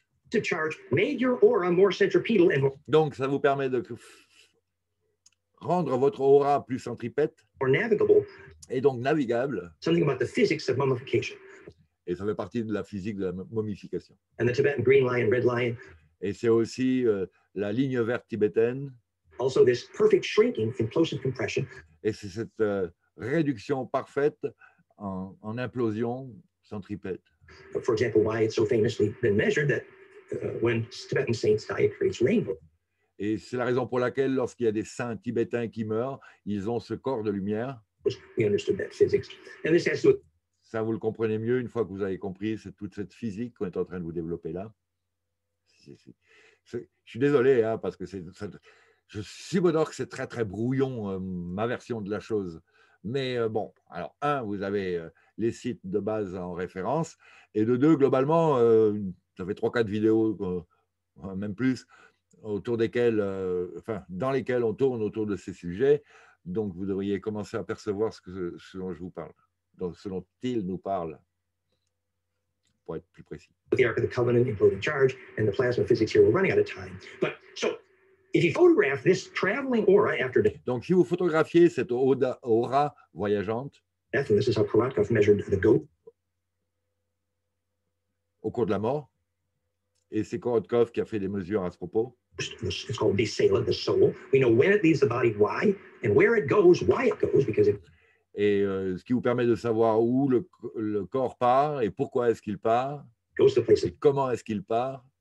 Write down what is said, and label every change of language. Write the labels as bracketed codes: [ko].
[en] To charge, made your aura more centripetal and more. [fr] Donc, ça vous permet de rendre votre aura plus centripète. [en] Or navigable. [fr] Et donc navigable. [en] Something about the physics of mummification. [fr] Et ça fait partie de la physique de la momification. [en] And the Tibetan green lion, red lion. [fr] Et c'est aussi la ligne verte tibétaine. [en] Also, this perfect shrinking in close compression. Et c'est cette réduction parfaite en implosion centripète. But for example, why it's so famously been measured that. When Tibetan saints die, it creates rainbow. [fr] Et c'est la raison pour laquelle, lorsqu'il y a des saints tibétains qui meurent, ils ont ce corps de lumière. [en] We understood that physics. And this has to... [fr] Ça, vous le comprenez mieux une fois que vous avez compris toute cette physique qu'on est en train de vous développer là. Je suis désolé, hein, parce que je subodore que c'est très, très brouillon, ma version de la chose. Mais bon, alors, un, vous avez les sites de base en référence, et de deux, globalement... Ça fait 3-4 vidéos, même plus, autour desquelles, dans lesquelles on tourne autour de ces sujets. Donc, vous devriez commencer à percevoir ce dont je vous parle, donc ce dont il nous parle, pour être plus précis. [en] The Ark of the Covenant imploding charge and the plasma physics here, we're running out of time. But so, if you photograph this traveling aura after death. [fr] Donc, si vous photographiez cette aura voyageante. [en] Death, and this is how Karatkov measured the goat. [fr] Au cours de la mort. Et c'est Korotkov qui a fait des mesures à ce propos. [en] It's called the sail of the soul. We know when it leaves the body, why, and where it goes, why it goes, because it. [fr] Et ce qui vous permet de savoir où le corps part et pourquoi est-ce qu'il part. [en] Goes to places. [fr] Comment est-ce qu'il part?